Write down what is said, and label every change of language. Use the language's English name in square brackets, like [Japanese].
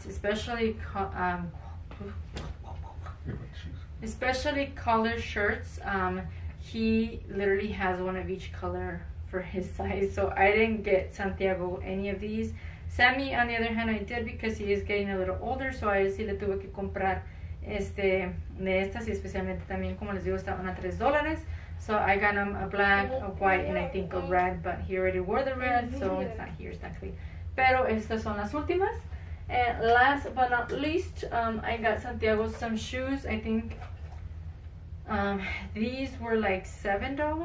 [English] Especially color shirts. He literally has one of each color for his size. So I didn't get Santiago any of these. Sammy, on the other hand, I did, because he is getting a little older. So I [Spanish] sí le tuve que comprar de estas, y especialmente también, como les digo, estaban a $3, [English] So I got him a black, a white, and I think a red, but he already wore the red, so it's not here exactly. [Spanish] Pero estas son las últimas. [English] And last but not least, I got Santiago some shoes. I think these were like $7.